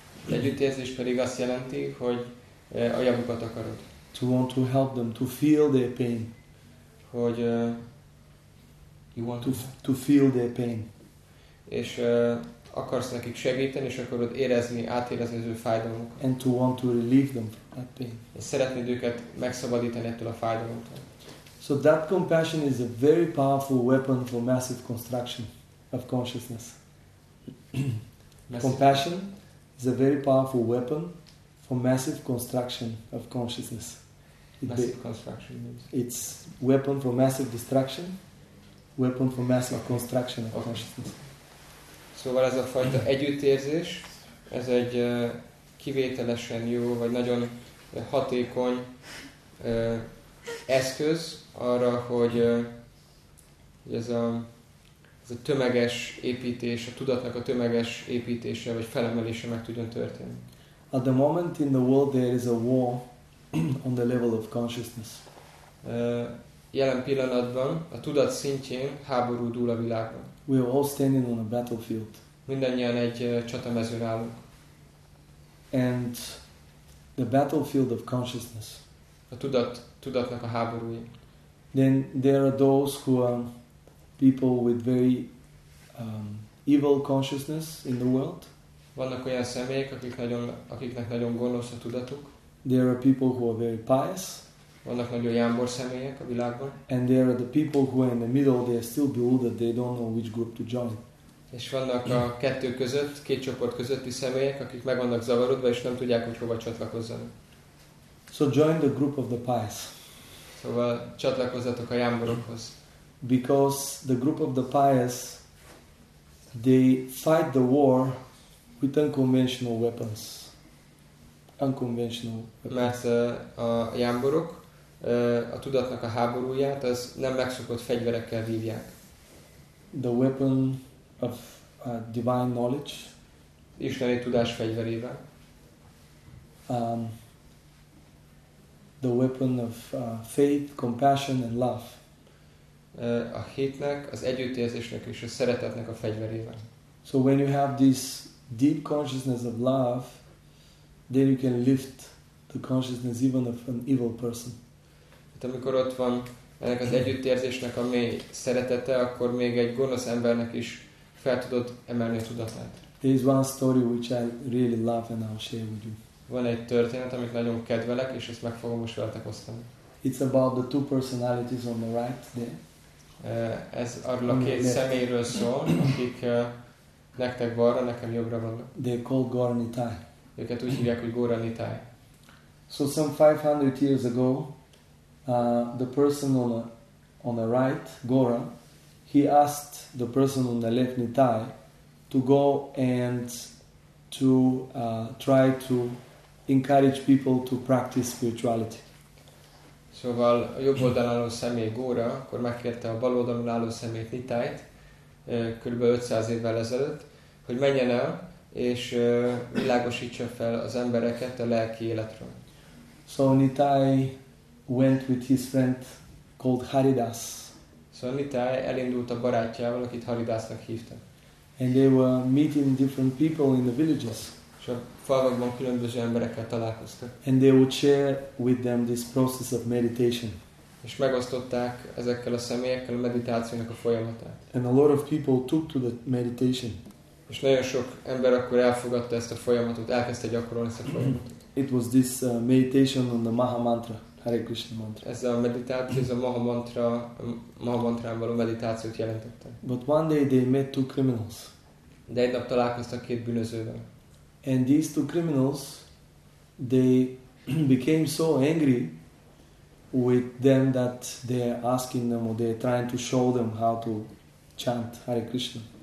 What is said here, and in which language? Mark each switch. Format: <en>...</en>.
<hu>Együttérzés pedig azt jelenti, hogy a javukat akarod.</hu> <en>To want to help them, to feel their pain.</en> <hu>Hogy</hu> <en>you want to feel their pain.</en> <hu>És akarsz nekik segíteni, és akarod átérezni az ő fájdalmukat.</hu> <en>And to want to relieve them from that pain.</en> <hu>És szeretnéd őket megszabadítani ettől a fájdalomtól.</hu> <en>So that compassion is a very powerful weapon for massive construction of consciousness. Compassion is a very powerful weapon for massive construction of consciousness. Massive construction means? It's weapon for massive destruction, weapon for massive construction of consciousness.</en> <hu>Szóval ez a fajta együttérzés, ez egy kivételesen jó, vagy nagyon hatékony eszköz arra, hogy ez a tömeges építés, a tudatnak a tömeges építése vagy felemelése meg tudjon történni.</hu> <en>At the moment in the world there is a war on the level of consciousness.</en> <hu>Jelen pillanatban a tudat szintjén háború dúl a világban.</hu> <en>We are all standing on a battlefield.</en> <hu>Mindannyian egy csatamezőn állunk.</hu> <en>And the battlefield of consciousness.</en> <hu>A tudatnak a háborúi.</hu> <en>Then there are those who are people with very evil consciousness in the world.</en> <hu>Vannak olyan személyek, akiknek nagyon gonosz a tudatuk.</hu> <en>There are people who are very pious.</en> <hu>Vannak nagyon jámbor személyek a világban.</hu> <en>And there are the people who are in the middle, they are still bewildered, they don't know which group to join.</en> <hu>És vannak a kettő között, két csoport közötti személyek, akik meg vannak zavarodva, és nem tudják, hogy hova csatlakozzanak.</hu> <en>So join the group of the pious.</en> <hu>Szóval csatlakozzatok a jámborokhoz.</hu> <en>Because the group of the pious, they fight the war with unconventional weapons. Unconventional weapons.</en> <hu>Mert a jámborok a tudatnak a háborúját az nem megszokott fegyverekkel vívják.</hu> <en>The weapon of divine knowledge.</en> <hu>Isteni tudás fegyverével.</hu> <en>The weapon of faith, compassion and love.</en> <hu>A hitnek, az együttérzésnek és a szeretetnek a fegyverével.</hu> <en>So when you have this deep consciousness of love, then you can lift the consciousness even of an evil person.</en> <hu>Tehát amikor ott van ennek az együttérzésnek a mély szeretete, akkor még egy gonosz embernek is fel tudod emelni a tudatát.</hu> <en>There is one story which I really love and I'll share with you.</en> <hu>Van egy történet, amit nagyon kedvelek, és ezt meg fogom most veletek osztani.</hu> <en>It's about the two personalities on the right there.</en> <hu>Ez arról a két személyről szól, akik nektek balra, nekem jobbra vannak.</hu> <en>They call Gauranitai.</en> <hu>Őket úgy hívják, hogy Gauranitai.</hu> <en>So some 500 years ago, The person on the right, Gora, he asked the person on the left, Nitai, to go and to try to encourage people to practice spirituality.</en> <hu>Szóval a jobb oldalon álló személy Góra, akkor megkérte a bal oldalon álló személyt, Nitájt, kb. 500 évvel ezelőtt, hogy menjen el, és világosítsa fel az embereket a lelki életről.</hu> <en>So Nitai went with his friend called Haridas.</en> <hu>So Nitai elindult a barátjával, akit Haridasnak hívta.</hu> <en>And they were meeting different people in the villages.</en> <hu>És a falvakban különböző emberekkel találkoztak.</hu> <en>And they would share with them this process of meditation.</en> <hu>És megosztották ezekkel a személyekkel a meditációnak a folyamatát.</hu> <en>And a lot of people took to the meditation.</en> <hu>És nagyon sok ember akkor elfogadta ezt a folyamatot, elkezdte gyakorolni ezt a folyamatot.</hu> <en>It was this meditation on the Maha Mantra, Hare Krishna Mantra.</en> <hu>Ez a meditáció, ez a Maha Mantra, a Maha Mantrán való meditációt jelentette.</hu> <en>But one day they met two criminals.</en> <hu>De egy nap találkoztak két bűnözővel.</hu> <en>And these two criminals, they became so angry with them that they're asking them or they're trying to show them how to chant Hare Krishna.</en>